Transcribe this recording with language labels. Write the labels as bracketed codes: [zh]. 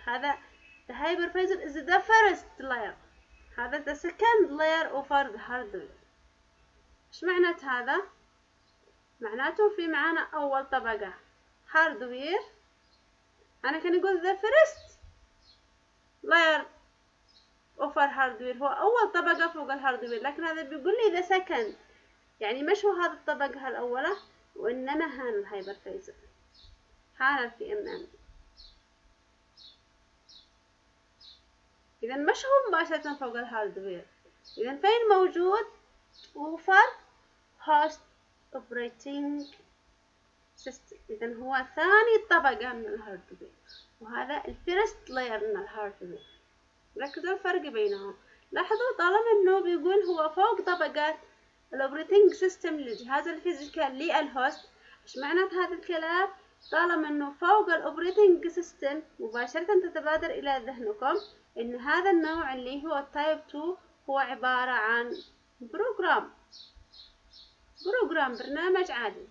[ar] هذا [en] the hypervisor is the first layer، [ar] هذا [en] the second layer over the hardware. [ar] إيش معنات هذا؟ معناته في معانا أول طبقة hardware، أنا كان أقول [en] the first layer over hardware [ar] هو أول طبقة فوق الhardware، لكن هذا بيقول لي the second، يعني مش هو هذا الطبقة الأولى، وإنما هان الhypervisor. حالة في MM. إذا مش هو مباشرة فوق الهاردوير. إذا فين موجود؟ [en] over host operating system. [ar] إذا هو ثاني طبقة من الهاردوير، وهذا الفيرست لاير من الهاردوير. ركزوا الفرق بينهم. لاحظوا طالما إنه بيقول هو فوق طبقات الاوبريتنج سيستم للجهاز الفيزيكال للهوست، إيش معنى هذا الكلام؟ طالما انه فوق الاوبريتنج سيستم مباشره تتبادر الى ذهنكم ان هذا النوع اللي هو تايب 2 هو عباره عن بروجرام برنامج عادي.